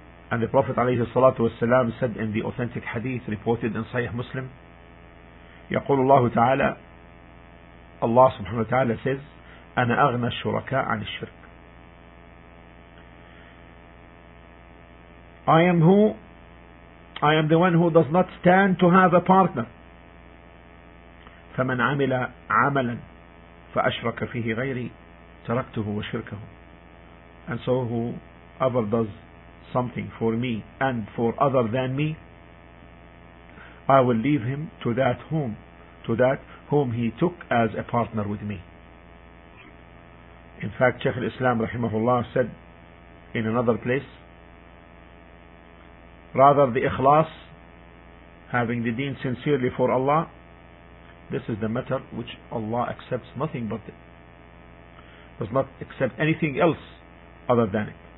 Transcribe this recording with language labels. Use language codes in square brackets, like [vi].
[en] And the Prophet عليه الصلاة والسلام said in the authentic hadith reported in Sahih Muslim, [ar] يقول الله تعالى, [en] Allah subhanahu wa ta'ala says, [ar] أنا أغنى الشركاء عن الشرك. [en] I am the one who does not stand to have a partner. [ar] فمن عمل عملا فأشرك فيه غيري تركته وشركه. [en] And so whoever does something for me and for other than me, I will leave him to that whom he took as a partner with me. In fact, Shaykh al-Islam rahimahullah said in another place, rather the ikhlas, having the deen sincerely for Allah, this is the matter which Allah accepts nothing but it, does not accept anything else other than it.